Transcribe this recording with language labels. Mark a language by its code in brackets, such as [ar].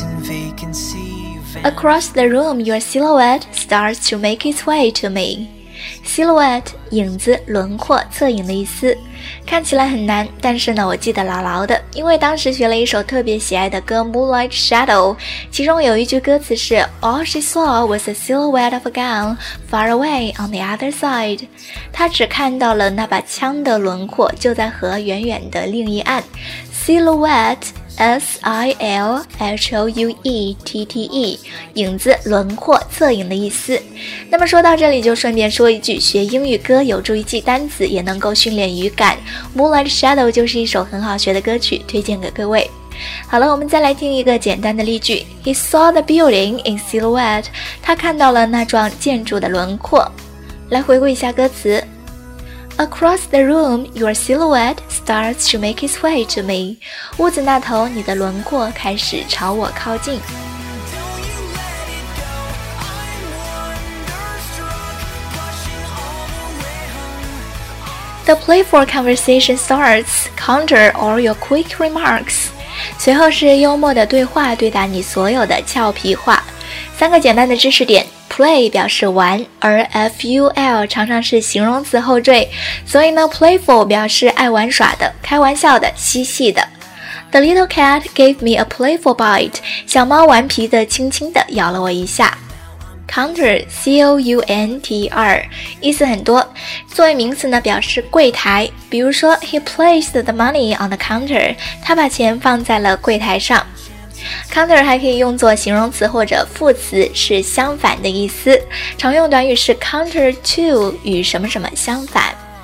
[en] Across the room, your silhouette starts to make its way to me. [zh] Silhouette, 影子、轮廓、侧影的意思。看起来很难，但是呢，我记得牢牢的，因为当时学了一首特别喜爱的歌 Moonlight Shadow, 其中有一句歌词是 [en] All she saw was a silhouette of a gun far away on the other side. [zh] 她只看到了那把枪的轮廓，就在河远远的另一岸。 Silhouette,S-I-L-H-O-U-E-T-T-E, 影子、轮廓、侧影的意思。那么说到这里就顺便说一句，学英语歌有助于记单词，也能够训练语感。 Moonlight Shadow 就是一首很好学的歌曲，推荐给各位。好了，我们再来听一个简单的例句。 [en] He saw the building in silhouette, [zh] 他看到了那幢建筑的轮廓。来回顾一下歌词。 [en] Across the room, your silhouette starts to make its way to me. [zh] 屋子那头，你的轮廓开始朝我靠近。 [en] The playful conversation starts, counter all your quick remarks. [zh] 随后是幽默的对话，对答你所有的俏皮话。三个简单的知识点。Play 表示玩，而 F-U-L 常常是形容词后缀，所以呢 playful 表示爱玩耍的、开玩笑的、嬉戏的。 [en] The little cat gave me a playful bite, [zh] 小猫顽皮的轻轻的咬了我一下。 Counter, C-O-U-N-T-R, 意思很多，作为名词呢表示柜台，比如说 [en] He placed the money on the counter, [zh] 他把钱放在了柜台上。 Counter 还可以用作形容词或者副词，是相反的意思，常用短语是 counter to 与什么什么相反。